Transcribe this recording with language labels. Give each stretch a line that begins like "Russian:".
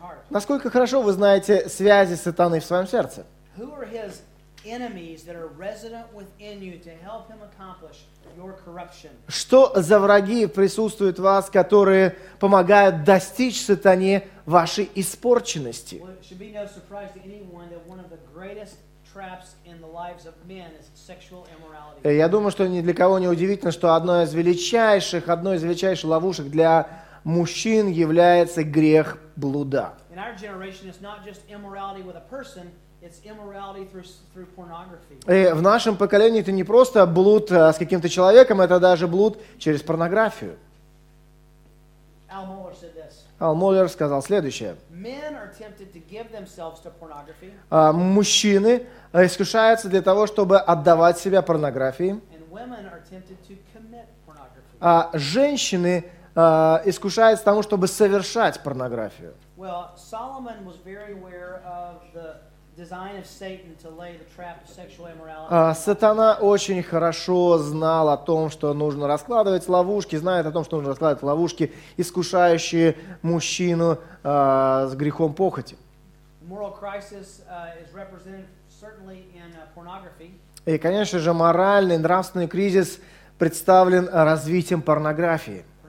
Russian: Насколько хорошо вы знаете связи сатаны в своем сердце?
English: Enemies that are resident within you to help him accomplish your corruption.
Russian: Что за враги присутствуют в вас, которые помогают достичь сатане вашей испорченности?
English: Well, it should be no surprise to anyone that one of the greatest traps in the lives of men is sexual immorality.
Russian: Я думаю, что ни для кого не удивительно, что одной из величайших ловушек для мужчин является грех блуда.
English: In our generation, it's not just immorality with a person. It's immorality through pornography.
Russian: И в нашем поколении это не просто блуд с каким-то человеком, это даже блуд через порнографию.
English: Al Mohler said this.
Russian: Al Mohler сказал следующее.
English: Men are tempted to give themselves to pornography.
Russian: Мужчины искушаются для того, чтобы отдавать себя порнографии.
English: And women are tempted to commit pornography.
Russian: А женщины искушаются тому, чтобы совершать порнографию.
English: Well, Solomon was very aware of the design of Satan to lay the trap of sexual immorality.
Russian: Сатана очень хорошо знал о том, что нужно раскладывать ловушки, знает о том, что нужно раскладывать ловушки, искушающие мужчину с грехом похоти.
English: Moral crisis is represented certainly in pornography.
Russian: И, конечно же, моральный, нравственный кризис представлен развитием порнографии.